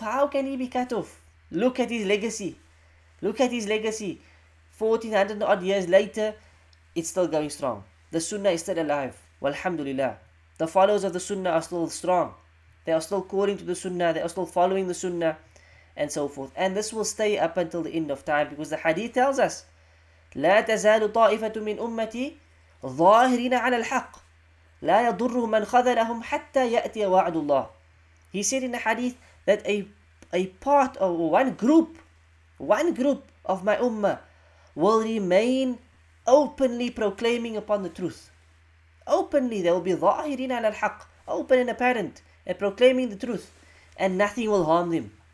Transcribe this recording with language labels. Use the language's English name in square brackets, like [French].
[English] How can he be cut off? Look at his legacy. Look at his legacy. 1400 odd years later, it's still going strong. The sunnah is still alive. Walhamdulillah. The followers of the sunnah are still strong. They are still calling to the sunnah. They are still following the sunnah. And so forth. And this will stay up until the end of time. Because the hadith tells us, [Arabic] لا تزال طائفة من أمتي ظاهرين على الحق لا يضر من خذلهم حتى يأتي وعد الله. [English] He said in the hadith that one group of my ummah will remain openly proclaiming upon the truth. Openly they will be [Arabic] ظاهرين على الحق, [English] open and apparent, and proclaiming the truth, and nothing will harm them.